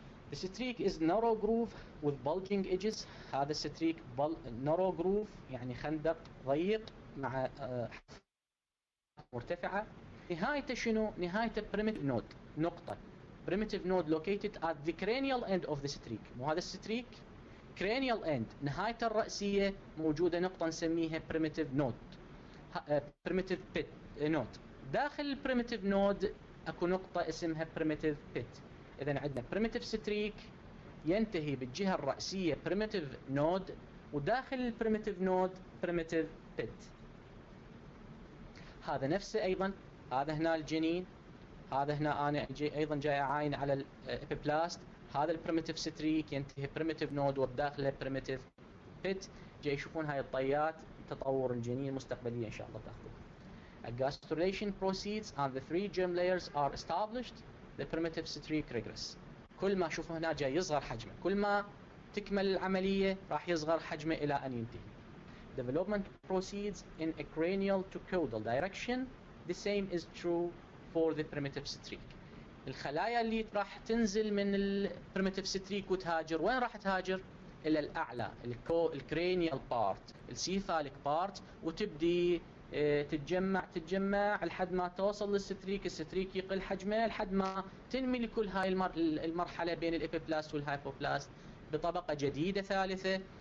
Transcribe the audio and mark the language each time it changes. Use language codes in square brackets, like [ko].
[en] The streak is narrow groove with bulging edges. [ar] هذا الستريك [en] narrow groove [ar] يعني خندق ضيق مع مرتفعة. نهايته شنو؟ نهايته primitive node نقطة. [en] Primitive node located at the cranial end of the streak. [ar] مو هذا الستريك cranial end نهاية الرأسية موجودة نقطة نسميها primitive node primitive pit node. داخل البريميتيف نود اكو نقطة اسمها بريميتيف بيت. اذا عندنا بريميتيف ستريك ينتهي بالجهة الرأسية بريميتيف نود وداخل البريميتيف نود بريميتيف بيت. هذا نفسه ايضا، هذا هنا الجنين، هذا هنا انا ايضا جاي اعاين على الابيبلاست. هذا البريميتيف ستريك ينتهي بريميتيف نود وداخل البريميتيف بيت. جاي يشوفون هاي الطيات تطور الجنين مستقبليا ان شاء الله تاخذه. [en] A gastrulation proceeds and the three germ layers are established. The primitive streak regress. [ar] كل ما شوفه هنا جاي يصغر حجمه، كل ما تكمل العملية راح يصغر حجمه إلى أن ينتهي. [en] Development proceeds in a cranial to caudal direction. The same is true for the primitive streak. [ar] الخلايا اللي راح تنزل من ال primitive streak وتهاجر، وين راح تهاجر؟ إلى الأعلى الcranial part الcephalic part، وتبدي تتجمع لحد ما توصل للستريك. الستريك يقل حجمه لحد ما تنمي لكل هاي المرحلة بين الإبيبلاست والهايبوبلاست بطبقة جديدة ثالثة.